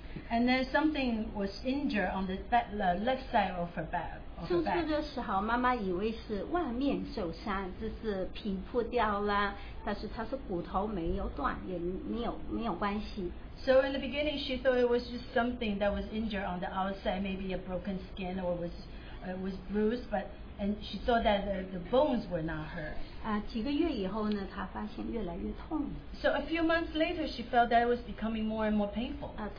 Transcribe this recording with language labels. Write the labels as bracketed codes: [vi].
[en] And then something was injured on the left side of her back. [zh] 出事的时候，妈妈以为是外面受伤，就是皮破掉了，但是她说骨头没有断，也没有关系。 [en] So in the beginning, she thought it was just something that was injured on the outside, maybe a broken skin or was bruised, but she thought that the bones were not hurt. [zh] 几个月以后呢，她发现越来越痛。So [en] a few months later, she felt that it was becoming more and more painful.